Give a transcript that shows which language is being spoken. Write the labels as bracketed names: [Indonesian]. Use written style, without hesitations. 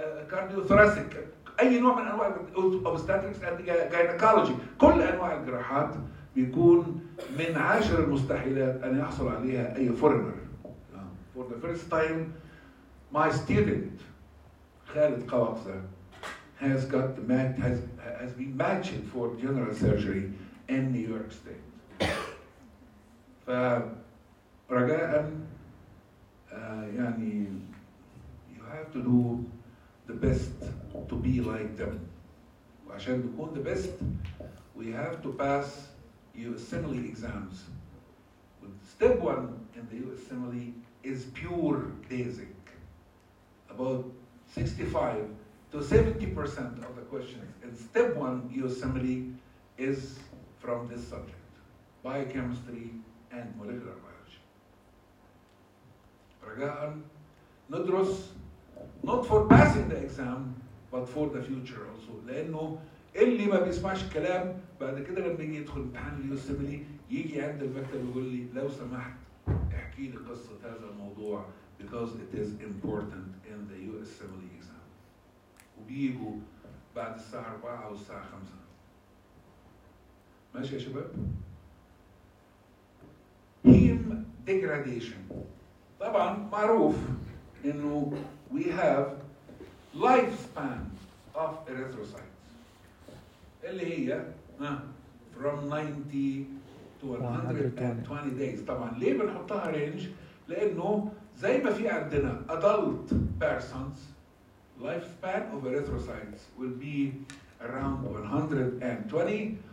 [Arabic] cardiothoracic أي نوع من أنواع [English] obstetrics and gynecology [Arabic] كل أنواع الجراحات بيكون من عشر المستحيلات أن يحصل عليها أي فورنر. [English] For the first time, my student خالد قواقزة has been matched for general surgery in New York State. [Arabic] فرجاء يعني [English] you have to do the best to be like them. [Arabic] وعشان نكون [English] the best, we have to pass USMLE exams. Step one in the USMLE is pure basic. About 65 to 70% of the questions in step one USMLE is from this subject, biochemistry and molecular biology. [Arabic] رجاءً ندرس [English] not for passing the exam but for the future also. [Arabic] لأنه اللي ما بيسمعش كلام بعد كده لما يجي يدخل امتحان اليوسيمولي يجي عند المكتب يقول لي لو سمحت احكي لي قصة هذا الموضوع [English] because it is important in the USMLE exam. [Arabic] وبيجوا بعد الساعة 4 أو الساعة 5. ماشي يا شباب؟ Heme degradation. طبعا معروف انه [English] we have lifespan of erythrocyte. [Arabic] اللي هي [English] from 90 to 120 days. [Arabic] طبعا ليه بنحطها range؟ لأنه زي ما في عندنا [English] adult persons lifespan of erythrocytes will be around 120.